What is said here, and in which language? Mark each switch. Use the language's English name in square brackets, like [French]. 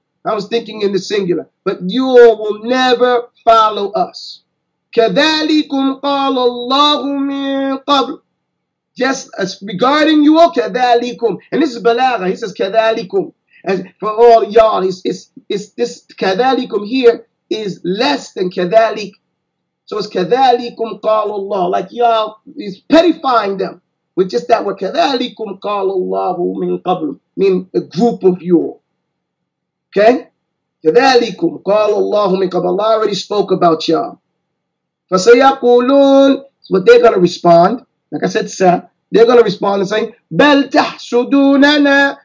[English] I was thinking in the singular. But you will never follow us. [Arabic] كَذَلِكُمْ قَالَ اللَّهُ مِنْ قَبْلُ. [English] Just as regarding you, كَذَلِكُمْ. And this is balagha. He says كَذَلِكُمْ. And for all y'all, it's this كَذَلِكُمْ here is less than كَذَلِك. So it's [Arabic] كَذَلِكُمْ قَالَ اللَّهُ. [English] Like y'all is petrifying them with just that word. [Arabic] كَذَلِكُمْ قَالَ اللَّهُ مِنْ قَبْلُ. [English] Mean a group of you. Okay? [Arabic] كَذَلِكُمْ قَالَ اللَّهُ مِنْ قَبْلُ. [English] Allah already spoke about y'all. [Arabic] فَسَيَقُولُونَ. [English] But they're going to respond. Like I said, sir, they're going to respond and say, [Arabic] بَلْ تَحْسُدُونَنَا.